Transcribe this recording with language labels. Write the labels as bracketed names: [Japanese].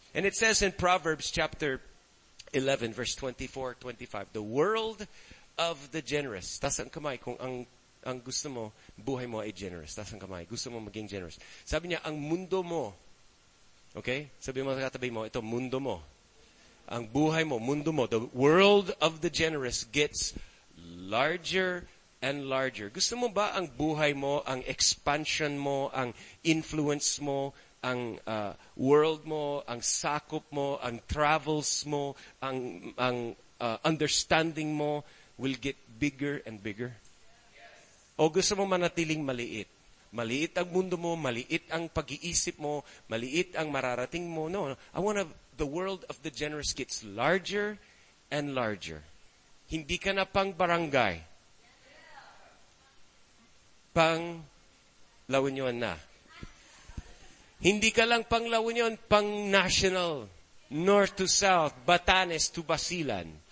[English] And it says in Proverbs chapter 11, verse 24, 25, the world of the generous. [Filipino] Tas ang kamay, kung ang gusto mo, buhay mo ay generous. Tas ang kamay, gusto mo maging generous. Sabi niya, ang mundo mo, okay? Sabi mo sa katabi mo, ito mundo mo. Ang buhay mo, mundo mo, [English] the world of the generous gets larger and larger. [Filipino] Gusto mo ba ang buhay mo, ang expansion mo, ang influence mo, ang world mo, ang sakop mo, ang travels mo, ang understanding mo [English] will get bigger and bigger? [Filipino] O gusto mo manatiling maliit? Maliit ang mundo mo, maliit ang pag-iisip mo, maliit ang mararating mo. [English] No, I want the world of the generous gets larger and larger. [Filipino] Hindi ka na pang barangay. Pang La Union na. Hindi ka lang pang La Union, pang national, north to south, Batanes to Basilan.